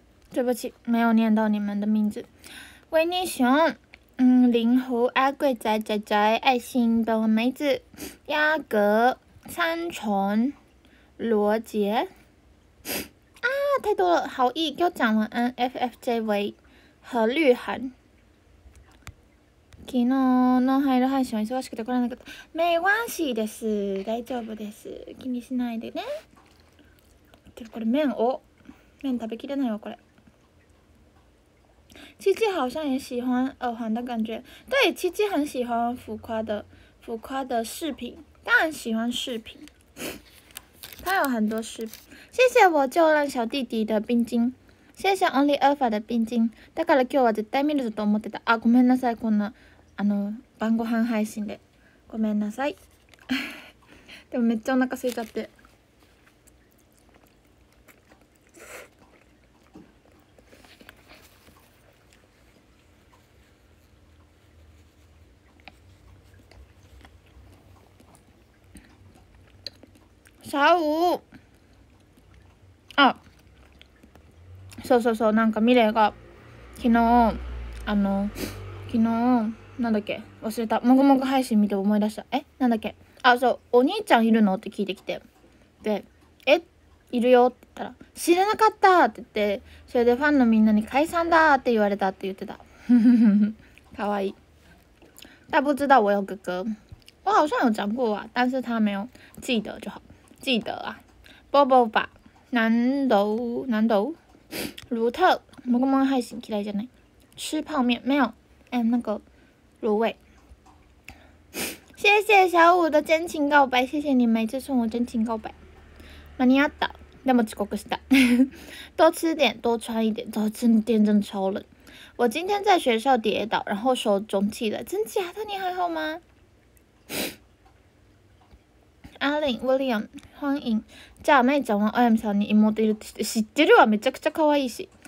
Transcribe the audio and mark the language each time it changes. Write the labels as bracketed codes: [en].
[zh] 对不起，没有念到你们的名字。维尼熊，灵狐，阿贵仔仔仔，爱心的梅子，鸭格，三重，罗杰。啊，太多了，好意又讲文恩 ，FFJV 和绿涵。 [ja] 昨日の入る配信は忙しくて来られなかった。没关系です，大丈夫です，気にしないでね。でこれ麺を、麺食べきれないわこれ。 [zh] 七七好像也喜欢耳环的感觉，对，七七很喜欢浮夸的饰品，当然喜欢饰品，他有很多饰品。谢谢我救了小弟弟的冰晶，谢谢 Only Alpha 的冰晶。 [ja] だから今日は絶対見ると思ってた。あ、ごめんなさい、こんなあの晩ご飯配信で、ごめんなさい。でもめっちゃお腹空いちゃって。小五，啊，そうそうそう、なんかミレイが昨日あの昨日なんだっけ忘れた、もぐもぐ配信見て思い出した、えなんだっけ、あそう、お兄ちゃんいるのって聞いてきて、でえいるよって言ったら、知らなかったって言って、それでファンのみんなに解散だって言われたって言ってた。かわいい。 [zh] 他不知道我有哥哥，我好像有讲过啊，但是他没有记得就好，记得啊。 [ja] 波波吧，南斗南斗，卢特，もぐもぐ配信期待じゃない。 [zh] 吃泡面没有？哎，那个卤味。谢谢小五的真情告白，谢谢你每次送我真情告白。 [ja] 間に合った。でも遅刻した。 [zh] 多吃点，多穿一点。多吃点真的超冷。我今天在学校跌倒，然后手肿起来，真假的？你还好吗？阿林、William、欢迎。 [ja] じゃあ、めいちゃんは、あやみさんに妹いるって知ってるわ。めちゃくちゃ可愛いし。